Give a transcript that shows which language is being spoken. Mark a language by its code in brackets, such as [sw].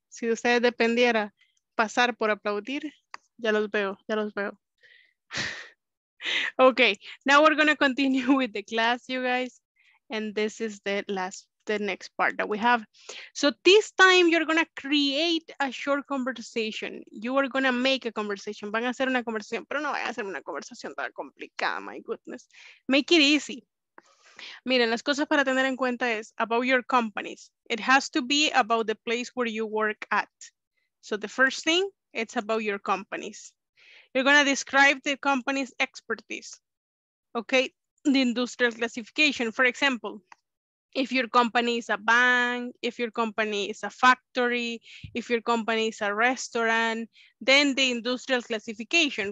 [es] Si de ustedes dependiera pasar por aplaudir, ya los veo, ya los veo. [en] Okay, now we're going to continue with the class, you guys. And this is the next part that we have. So this time you're going to create a short conversation. You are going to make a conversation. [es] Van a hacer una conversación, pero no vayan a hacer una conversación tan complicada, [en] my goodness. Make it easy. [es] Miren, las cosas para tener en cuenta es [en] about your companies. It has to be about the place where you work at. So the first thing, it's about your companies. You're going to describe the company's expertise. Okay, the industrial classification. For example, if your company is a bank, if your company is a factory, if your company is a restaurant, then the industrial classification.